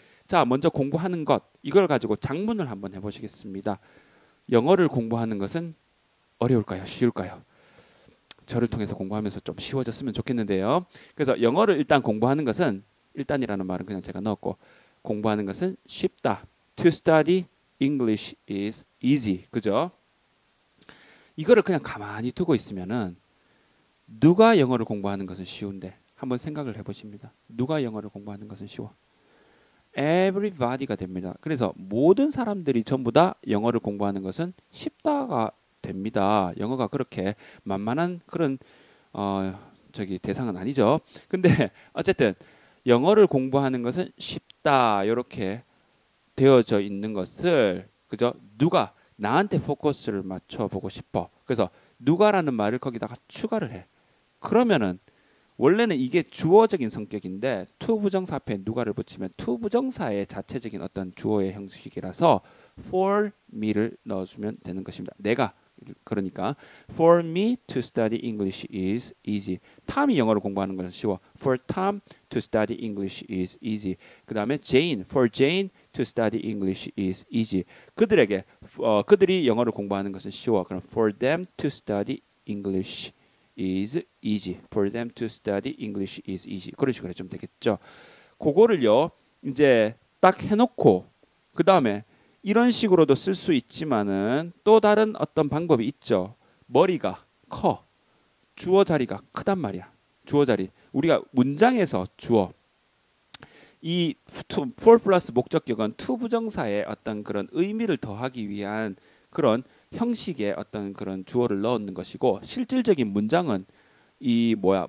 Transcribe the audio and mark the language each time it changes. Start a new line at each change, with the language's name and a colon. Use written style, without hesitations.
Korean: 자, 먼저 공부하는 것, 이걸 가지고 작문을 한번 해 보시겠습니다. 영어를 공부하는 것은 어려울까요? 쉬울까요? 저를 통해서 공부하면서 좀 쉬워졌으면 좋겠는데요. 그래서 영어를 일단 공부하는 것은 일단이라는 말은 그냥 제가 넣었고 공부하는 것은 쉽다.
English: To study English is easy.
Korean: 그죠? 이거를 그냥 가만히 두고 있으면은 누가 영어를 공부하는 것은 쉬운데 한번 생각을 해보십니다. 누가 영어를 공부하는 것은 쉬워? Everybody가 됩니다. 그래서 모든 사람들이 전부 다 영어를 공부하는 것은 쉽다가 됩니다. 영어가 그렇게 만만한 그런 저기 대상은 아니죠. 근데 어쨌든 영어를 공부하는 것은 쉽다 이렇게 되어져 있는 것을 그죠? 누가 나한테 포커스를 맞춰 보고 싶어. 그래서 누가라는 말을 거기다가 추가를 해. 그러면은 원래는 이게 주어적인 성격인데 to 부정사 앞에 누가를 붙이면 to 부정사의 자체적인 어떤 주어의 형식이라서 for me를 넣어주면 되는 것입니다. 내가 그러니까
English: for me to study English is easy.
Korean: Tom이 영어를 공부하는 것은 쉬워.
English: For Tom to study English is easy.
Korean: 그 다음에
English: Jane, for Jane to study English is easy.
Korean: 그들에게 그들이 영어를 공부하는 것은 쉬워. 그럼
English: for them to study English is easy. For them to study English is easy.
Korean: 그런 식으로 좀 되겠죠. 그거를요 이제 딱 해놓고 그 다음에 이런 식으로도 쓸수 있지만은 또 다른 어떤 방법이 있죠. 머리가 커. 주어 자리가 크단 말이야. 주어 자리. 우리가 문장에서 주어. 이 to, for 플러스 목적격은 to 부정사의 어떤 그런 의미를 더하기 위한 그런 형식의 어떤 그런 주어를 넣는 것이고 실질적인 문장은 이 뭐야?